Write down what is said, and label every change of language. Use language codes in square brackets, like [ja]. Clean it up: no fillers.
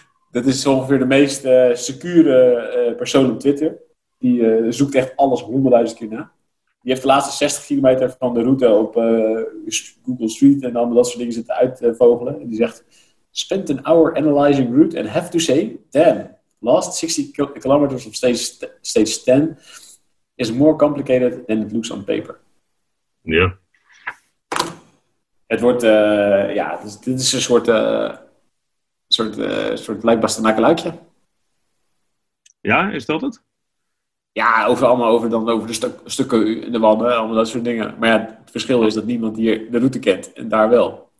[nl] Dat is ongeveer de meest secure persoon op Twitter. Die zoekt echt alles 100.000 keer na. Die heeft de laatste 60 kilometer van de route op Google Street en dan dat soort dingen zitten uitvogelen. En die zegt, [en] spent an hour analyzing route and have to say, damn, last 60 kilometers of stage 10 is more complicated than it looks on paper. [nl] Ja. Yeah. Het wordt, dit is een soort... Een soort lijkbastenakeluikje. Ja, is dat het? Ja, over de stukken in de wanden en allemaal dat soort dingen. Maar ja, het verschil is dat niemand hier de route kent en daar wel.